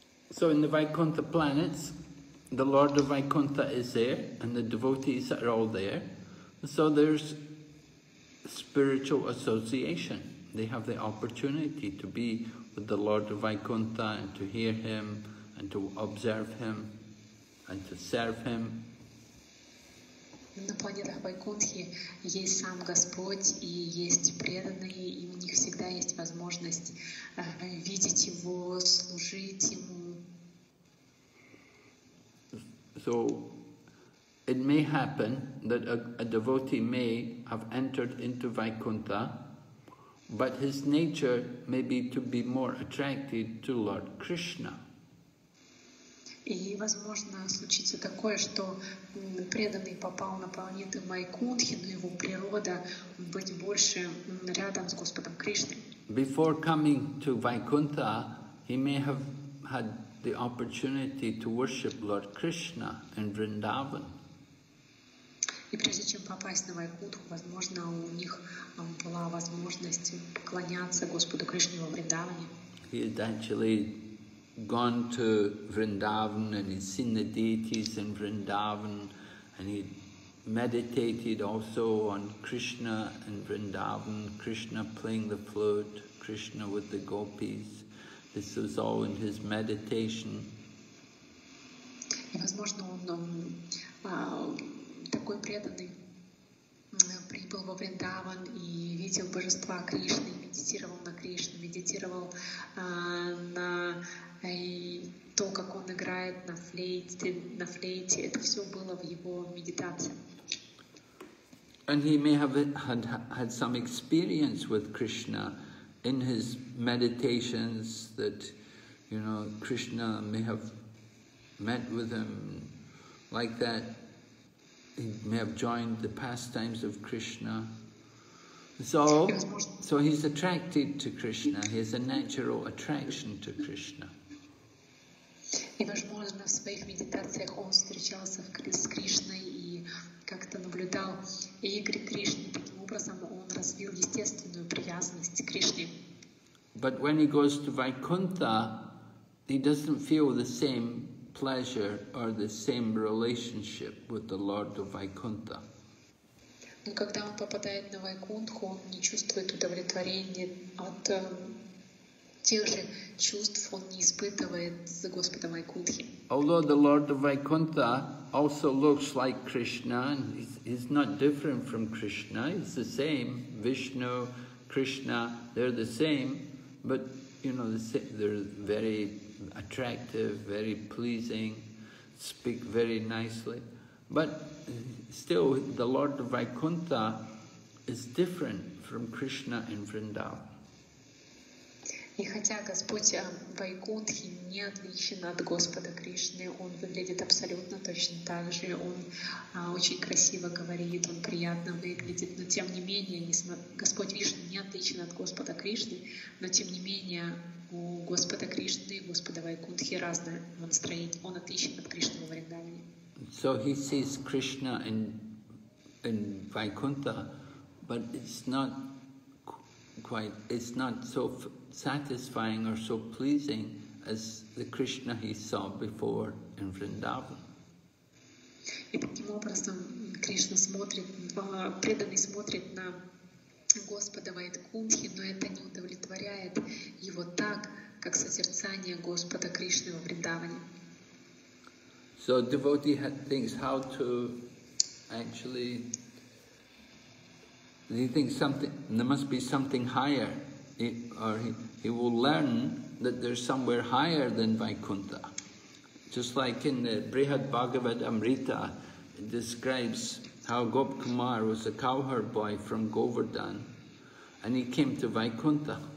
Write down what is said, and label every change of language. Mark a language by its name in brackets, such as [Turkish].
[English] So in the Vaikuntha planets, the Lord of Vaikuntha is there, and the devotees are all there. So there's spiritual association. They have the opportunity to be with the Lord of Vaikuntha and to hear him and to observe him and to serve him. [Russian] На планетах Вайкунтхи есть сам Господь и есть преданные, и у них всегда есть возможность видеть его, служить ему. [English] So it may happen that a devotee may have entered into Vaikuntha, but his nature may be to be more attracted to Lord Krishna. [Russian] И возможно случится такое, что преданный попал на планету Вайкунтхи, но его природа быть больше рядом с Господом Кришной. [English] Before coming to Vaikuntha, he may have had the opportunity to worship Lord Krishna in Vrindavan. [Russian] И прежде чем попасть на Вайкунтху, возможно, у них была возможность поклоняться Господу Кришне во Вриндаване. [English] He had actually gone to Vrindavan and he'd seen the deities in Vrindavan and he meditated also on Krishna in Vrindavan, Krishna playing the flute, Krishna with the gopis. This was all in his meditation. [Russian] И возможно, он такой преданный прибыл во Вриндаван и видел божества Кришны, медитировал на Кришну, медитировал на то, как он играет на флейте. Это все было в его медитации. [English] And he may have had some experience with Krishna in his meditations, that, you know, Krishna may have met with him like that. He may have joined the pastimes of Krishna. So he's attracted to Krishna. He has a natural attraction to Krishna. [Russian] И, возможно, в своих медитациях он встречался с Кришной и как-то наблюдал игры Кришны. Таким образом, он развил естественную привязанность к Кришне. [English] But when he goes to Vaikuntha, he doesn't feel the same pleasure or the same relationship with the Lord of Vaikuntha. [Russian] Но когда он попадает на Вайкунтху, он не чувствует удовлетворения от тех же чувств, он не испытывает с Господом Вайкунтхи. [English] Although the Lord of Vaikuntha also looks like Krishna, and he's not different from Krishna, he's the same, Vishnu, Krishna, they're the same, but you know, they're very attractive, very pleasing, speak very nicely. But still, the Lord of Vaikuntha is different from Krishna in Vrindavan. [Russian] И хотя Господь Вайкунтхи не отличен от Господа Кришны, он выглядит абсолютно точно так же, он очень красиво говорит, он приятно выглядит, но тем не менее, Господь Вишну не отличен от Господа Кришны, но тем не менее, у Господа Кришны и Господа Вайкунтхи разное настроение, он отличен от Кришны во Вриндаване. [English] So he sees Krishna in Vaikuntha, but it's not quite, it's not so satisfying or so pleasing as the Krishna he saw before in Vrindavan. [Russian] И таким образом Кришна смотрит, преданный смотрит на Господа Вайкунтхи, но это не удовлетворяет его так, как созерцание Господа Кришны во Вриндаване. [English] So a devotee thinks how to actually, he thinks something, there must be something higher, he will learn that there's somewhere higher than Vaikuntha. Just like in the Brihad Bhagavatamrita, it describes how Gop Kumar was a cowherd boy from Govardhan, and he came to Vaikuntha.